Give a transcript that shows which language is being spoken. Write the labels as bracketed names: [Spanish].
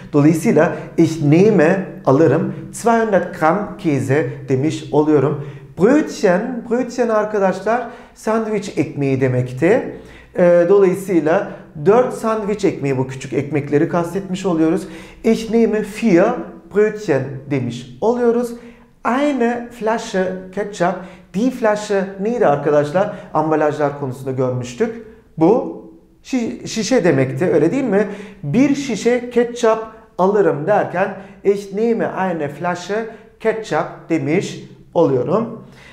[Turkish] Dolayısıyla [German] Ich nehme [Turkish] alırım [German] 200 gram Käse [Turkish] demiş oluyorum. Brötchen, brötchen arkadaşlar sandviç ekmeği demekti. Dolayısıyla 4 sandviç ekmeği, bu küçük ekmekleri kastetmiş oluyoruz. [German] Ich nehme 4 Brötchen [Turkish] demiş oluyoruz. [German] Eine Flasche Ketchup. [Turkish] Die Flasche neydi arkadaşlar? Ambalajlar konusunda görmüştük. Bu şişe demekti, öyle değil mi? Bir şişe ketçap alırım derken [German] Ich nehme eine Flasche Ketchup [Turkish] demiş oluyorum.